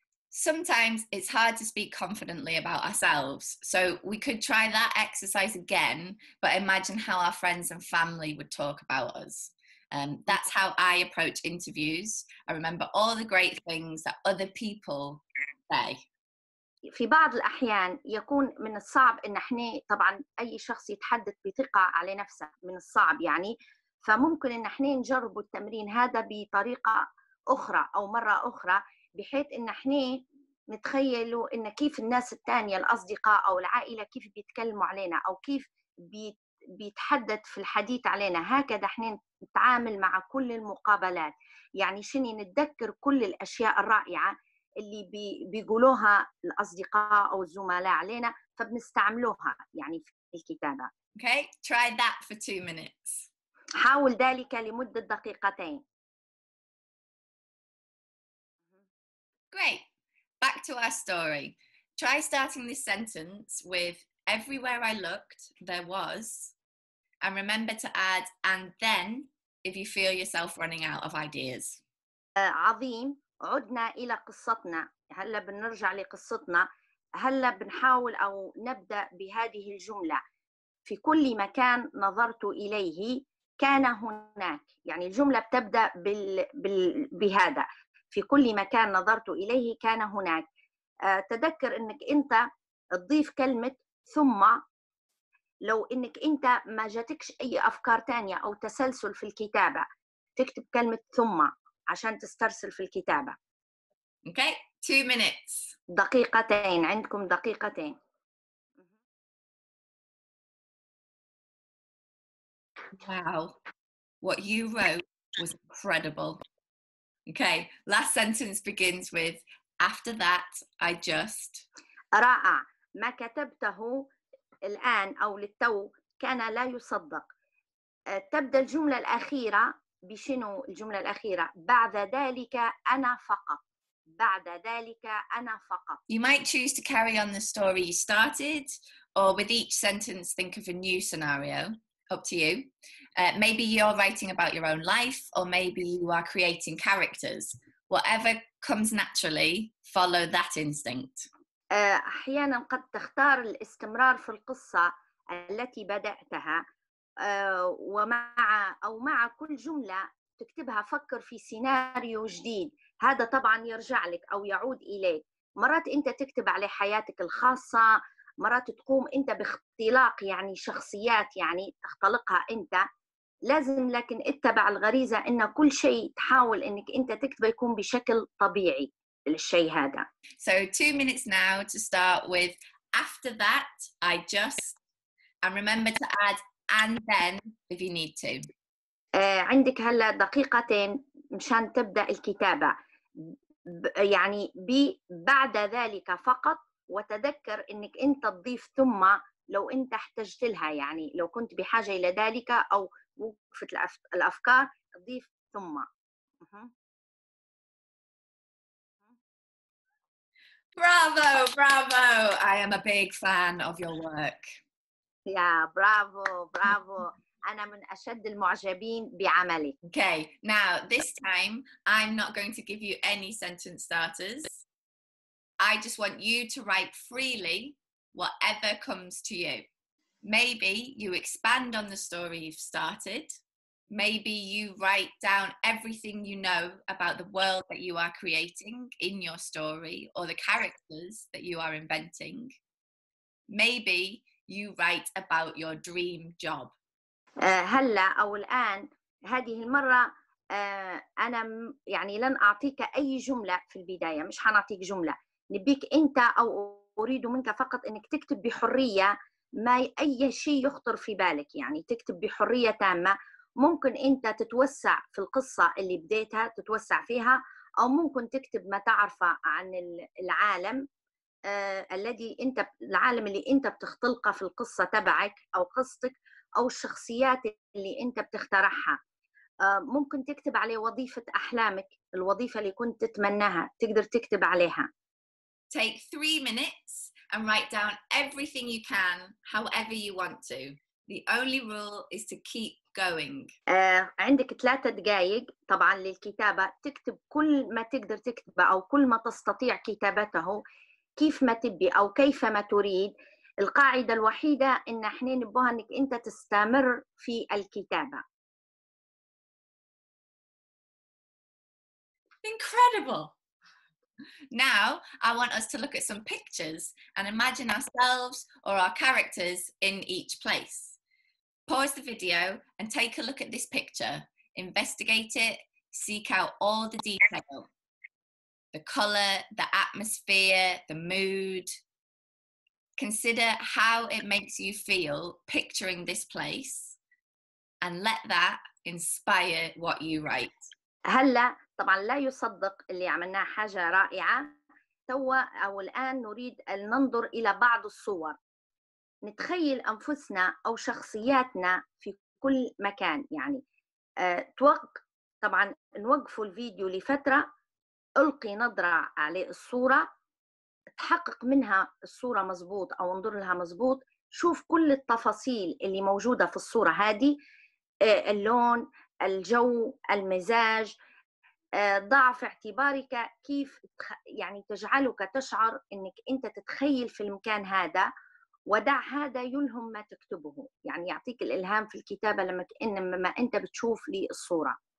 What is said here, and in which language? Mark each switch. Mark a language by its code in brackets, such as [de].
[en] Sometimes it's hard to speak confidently about ourselves, so we could try that exercise again, but imagine how our friends and family would talk about us. That's how I approach interviews. I remember all the great things that other people say. [ar] في بعض الأحيان يكون من الصعب إن إحنا طبعاً أي شخص يتحدث بثقة على نفسه من الصعب يعني فممكن إن إحنا نجرب التمرين هذا بطريقة أخرى أو مرة أخرى بحيث إن إحنا نتخيلوا إن كيف الناس الثانية الأصدقاء أو العائلة كيف بيتكلموا علينا أو كيف بيتحدث في الحديث علينا هكذا إحنا نتعامل مع كل المقابلات يعني شني نتذكر كل الأشياء الرائعة اللي بيقولوها الأصدقاء أو الزملاء علينا فبنستعملوها يعني في الكتابة. [en] Okay, try that for 2 minutes. [ar] حاول ذلك لمدة دقيقتين. [en] Great. Back to our story. Try starting this sentence with "everywhere I looked, there was," and remember to add "and then" if you feel yourself running out of ideas. [ar] عظيم. عدنا إلى قصتنا. هلا بنرجع لقصتنا. هلا بنحاول أو نبدأ بهذه الجملة. في كل مكان نظرت إليه كان هناك. يعني الجملة بتبدأ بهذا. في كل مكان نظرت إليه كان هناك. تذكر إنك أنت تضيف كلمة ثم. لو إنك أنت ما جاتكش أي أفكار تانية أو تسلسل في الكتابة تكتب كلمة ثم. عشان تسترسل في الكتابة. [en] Okay, 2 minutes. [ar] دقيقتين. عندكم دقيقتين. [en] Wow, what you wrote was incredible. Okay, last sentence begins with "after that, I just." [ar] رائع. ما كتبته الآن أو للتو كان لا يصدق. تبدأ الجملة الأخيرة. بشنو الجملة الأخيرة؟ بعد ذلك أنا فقط. بعد ذلك أنا فقط. [en] You might choose to carry on the story you started, or with each sentence think of a new scenario. Up to you. Maybe you're writing about your own life, or maybe you are creating characters. Whatever comes naturally, follow that instinct. [ar] أحيانا قد تختار الاستمرار في القصة التي بدأتها. ومع أو مع كل جملة تكتبها فكر في سيناريو جديد هذا طبعا يرجع لك أو يعود إليك مرات أنت تكتب على حياتك الخاصة مرات تقوم أنت باختلاق يعني شخصيات يعني تختلقها أنت لازم لكن اتبع الغريزة إن كل شيء تحاول إنك أنت تكتبه يكون بشكل طبيعي للشيء هذا. [en] So 2 minutes now to start with. After that, I just, and remember to add and then if you need to. [ar] عندك هلا دقيقتين مشان تبدأ الكتابة. يعني بعد ذلك فقط وتذكر إنك أنت تضيف ثم لو أنت احتجت لها يعني لو كنت بحاجة إلى ذلك أو وقفت الأفكار تضيف ثم. [en] Bravo, bravo! I am a big fan of your work. Yeah, bravo, bravo. [ar] أنا من أشد المعجبين بعملي. [en] Okay, now this time I'm not going to give you any sentence starters. I just want you to write freely whatever comes to you. Maybe you expand on the story you've started. Maybe you write down everything you know about the world that you are creating in your story or the characters that you are inventing. Maybe you write about your dream job. [ar] هلا أو الآن هذه المرة أنا يعني لن أعطيك أي جملة في البداية مش حنعطيك جملة نبيك أنت أو أريد منك فقط أنك تكتب بحرية ما أي شيء يخطر في بالك يعني تكتب بحرية تامة ممكن أنت تتوسع في القصة اللي بديتها تتوسع فيها أو ممكن تكتب ما تعرفه عن العالم الذي أنت العالم اللي أنت بتختلقه في القصة تبعك أو قصتك أو الشخصيات اللي أنت بتخترعها ممكن تكتب عليه وظيفة أحلامك الوظيفة اللي كنت تتمناها تقدر تكتب عليها [en] Take 3 minutes and write down everything you can however you want to. The only rule is to keep going. [ar] عندك 3 دقائق طبعاً للكتابة تكتب كل ما تقدر تكتبه أو كل ما تستطيع كتابته كيف ما تبي أو كيف ما تريد القاعدة الوحيدة إن إحنا نبغى إنك أنت تستمر في الكتابة. [en] Incredible. Now I want us to look at some pictures and imagine ourselves or our characters in each place. Pause the video and take a look at this picture. Investigate it. Seek out all the detail. The color, the atmosphere, the mood. Consider how it makes you feel picturing this place and let that inspire what you write. [ar] هلا طبعا لا يصدق اللي عملناه حاجة رائعة توا أو الآن نريد أن ننظر إلى بعض الصور نتخيل أنفسنا أو شخصياتنا في كل مكان يعني طبعا نوقف الفيديو لفترة ألقي نظرة على الصورة تحقق منها الصورة مزبوط أو انظر لها مزبوط شوف كل التفاصيل اللي موجودة في الصورة هذه اللون الجو المزاج ضع في اعتبارك كيف يعني تجعلك تشعر أنك أنت تتخيل في المكان هذا ودع هذا يلهم ما تكتبه يعني يعطيك الإلهام في الكتابة لما أنت بتشوف لي الصورة